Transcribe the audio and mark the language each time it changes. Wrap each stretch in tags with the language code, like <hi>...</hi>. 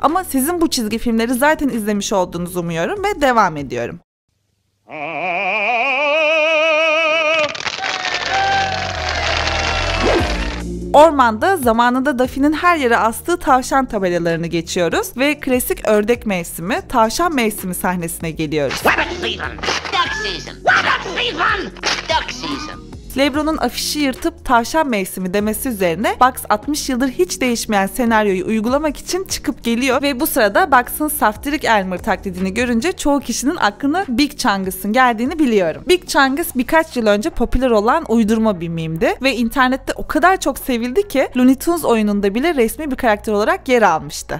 <tr>Ama sizin bu çizgi filmleri zaten izlemiş olduğunuzu umuyorum ve devam ediyorum. Ormanda zamanında Daffy'nin her yere astığı tavşan tabelalarını geçiyoruz ve klasik ördek mevsimi, tavşan mevsimi sahnesine geliyoruz.</tr> <en>Rabbit season, duck season, rabbit season, duck season.</en> <tr>LeBron'un afişi yırtıp tavşan mevsimi demesi üzerine Bucks 60 yıldır hiç değişmeyen senaryoyu uygulamak için çıkıp geliyor ve bu sırada Bucks'ın saftirik Elmer taklidini görünce çoğu kişinin aklına Big Chungus'ın geldiğini biliyorum. Big Chungus birkaç yıl önce popüler olan uydurma bir meme'di ve internette o kadar çok sevildi ki Looney Tunes oyununda bile resmi bir karakter olarak yer almıştı.</tr>